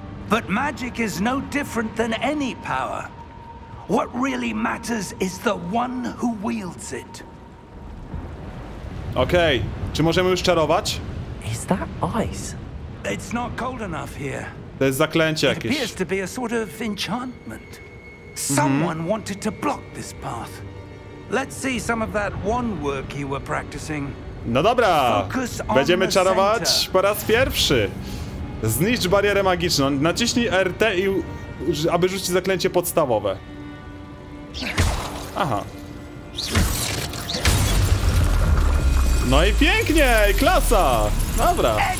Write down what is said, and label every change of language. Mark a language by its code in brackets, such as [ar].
[en] But magic is no different than any power. What really matters is the one who wields it. [pl] Okej, czy możemy już czarować? [en] Is that ice? It's not cold enough here. [pl] To jest zaklęcie jakieś. [en] It appears to be a sort of enchantment. Someone wanted to block this path. Let's see some of that one work you were practicing. [pl] No dobra, będziemy czarować po raz pierwszy. Zniszcz barierę magiczną. Naciśnij RT, i, aby rzucić zaklęcie podstawowe. Aha. No i pięknie! I klasa! Dobra.